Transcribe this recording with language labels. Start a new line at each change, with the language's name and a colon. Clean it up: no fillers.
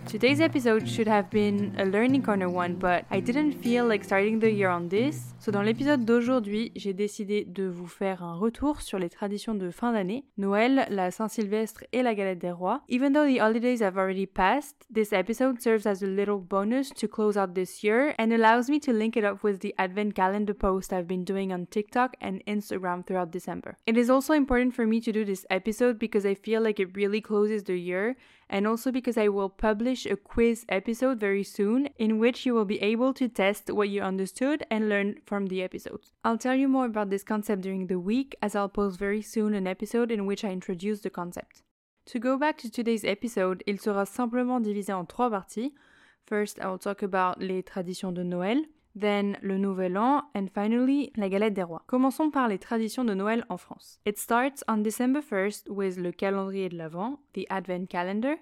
English: Today's episode should have been a learning corner one, but I didn't feel like starting the year on this.
French: So dans l'épisode d'aujourd'hui, j'ai décidé de vous faire un retour sur les traditions de fin d'année, Noël, la Saint-Sylvestre et la Galette des Rois.
English: Even though the holidays have already passed, this episode serves as a little bonus to close out this year and allows me to link it up with the advent calendar post I've been doing on TikTok and Instagram throughout December. It is also important for me to do this episode because I feel like it really closes the year, and also because I will publish a quiz episode very soon in which you will be able to test what you understood and learn from the episodes. I'll tell you more about this concept during the week, as I'll post very soon an episode in which I introduce the concept. To go back to today's episode,
French: il sera simplement divisé en trois parties.
English: First, I'll talk about
French: les traditions de Noël,
English: then
French: le Nouvel An,
English: and finally,
French: la Galette des Rois. Commençons par les traditions de Noël en France.
English: It starts on December 1st with
French: le calendrier de l'Avent,
English: the Advent calendar.